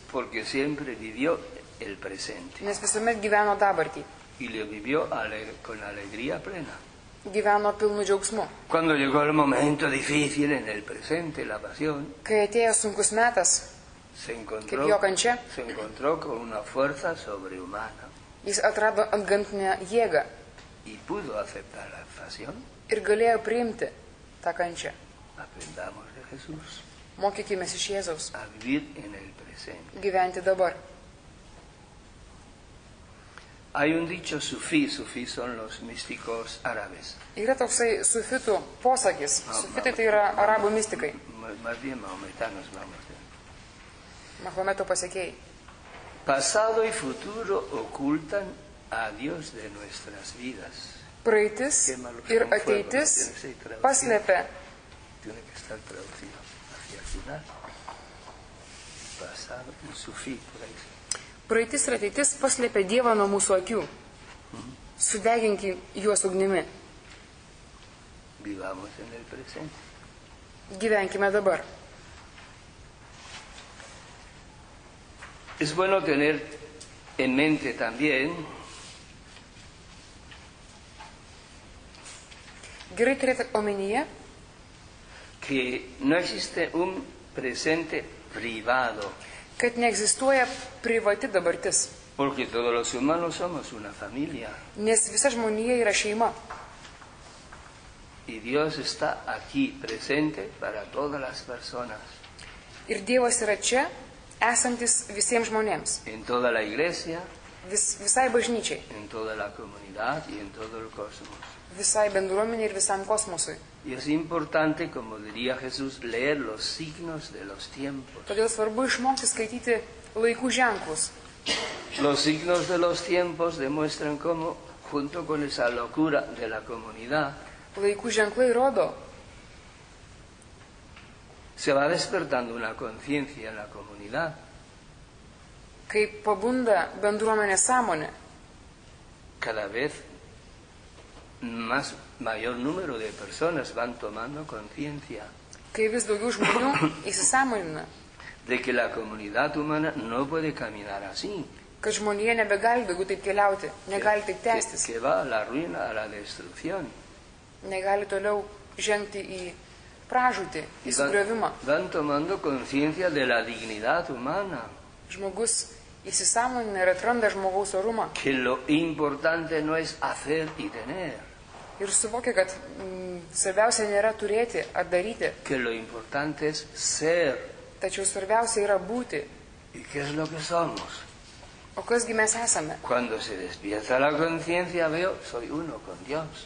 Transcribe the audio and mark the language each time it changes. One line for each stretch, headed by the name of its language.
Spanish: Porque siempre vivió el presente.
Lithuanian: Nes visuomet gyveno dabartį.
Spanish: Y lo vivió con alegría plena.
Lithuanian: gyveno pilnu džiaugsmu.
Spanish: Cuando llegó el momento difícil en el presente, la pasión,
Lithuanian: kai atėjo sunkus metas, kaip jo kančia,
Spanish: se encontró con una fuerza sobrehumana.
Lithuanian: Jis atrado antgamtinę jėgą
Spanish: y pudo aceptar la pasión.
Lithuanian: Ir galėjo priimti tą kančią.
Spanish: Aprendamos de Jesús.
Lithuanian: Mokykimės iš Jėzaus.
Spanish: A vivir en el presente.
Lithuanian: Gyventi dabar.
Spanish: Hay un dicho sufí, sufí son los místicos árabes.
Lithuanian: Yra toksai sufitų posakis. Sufitai tai yra arabų mistikai.
Spanish: Mahometo, maometanos, maometo.
Lithuanian: Mahometo pasiekėjai.
Spanish: Pasado y futuro ocultan a Dios de nuestras vidas.
Lithuanian: Praeitis ir ateitis paslėpia.
Spanish: Tiene que estar traducido hacia el final. Pasado y sufí, por ahí.
Lithuanian: Praeitis ir ateitis paslėpia Dievą nuo mūsų akių. Sudeginkim juos ugnimi.
Spanish: Vivamos en el presente.
Lithuanian: Gyvenkime dabar.
Spanish: Es bueno tener en mente también.
Lithuanian: Gerai turėti omenyje.
Spanish: Que no existe un presente privado.
Lithuanian: Kad neegzistuoja privati dabartis.
Spanish: Porque todos los humanos somos una familia.
Lithuanian: Nes visa žmonija yra šeima.
Spanish: Y Dios está aquí presente para todas las personas.
Lithuanian: Ir Dievas yra čia, esantis visiems žmonėms.
Spanish: En toda la iglesia.
Lithuanian: Visai bažnyčiai.
Spanish: En toda la comunidad y en todo el cosmos.
Lithuanian: Visai bendruomenei ir visam kosmosui.
Spanish: Y es importante, como diría Jesús, leer los signos de los tiempos.
Lithuanian: Todėl svarbu išmokti skaityti laikų ženklus.
Spanish: Los signos de los tiempos demuestran cómo, junto con esa locura de la comunidad,
Lithuanian: laikų ženklai rodo,
Spanish: se va despertando una conciencia en la comunidad.
Lithuanian: Kaip pabunda bendruomenės sąmonė.
Spanish: Cada vez más mayor número de personas van tomando conciencia.
Lithuanian: Kai vis daugiau žmonių įsisąmonina.
Spanish: De que la comunidad humana no puede caminar así.
Lithuanian: Kad žmonija nebegali daugiau taip keliauti, negali taip tęstis.
Spanish: Que va a la ruina, a la destrucción.
Lithuanian: Negali toliau žengti į pražūtį, į sugriovimą.
Spanish: Van tomando conciencia de la dignidad humana.
Lithuanian: Žmogus įsisąmonina ir atranda žmogaus orumą.
Spanish: Que lo importante no es hacer y tener.
Lithuanian: Ir suvokia, kad svarbiausia nėra turėti ar daryti.
Spanish: Que lo importante es ser.
Lithuanian: Tačiau svarbiausia yra būti.
Spanish: ¿Y qué es lo que somos?
Lithuanian: O kasgi mes esame?
Spanish: Cuando se despierta la conciencia veo, soy uno con Dios.